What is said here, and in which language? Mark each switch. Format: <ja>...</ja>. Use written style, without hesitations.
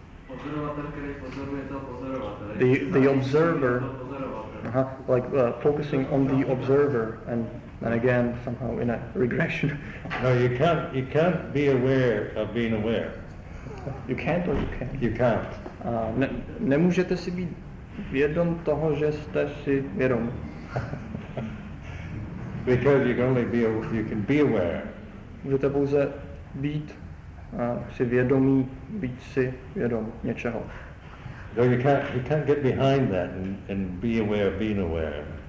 <en>The observer, focusing on the observer, and then again somehow in a regression. No, you can't be aware of being aware. You can't or you can't? You can't.</en> <cs>Nemůžete si být vědom toho, že jste si vědom.</cs> <en>Because you can only be aware.</en> <cs>Můžete pouze být si vědomí, být si vědom něčeho.</cs> <en>So you can't get behind that and be aware of being aware.</en>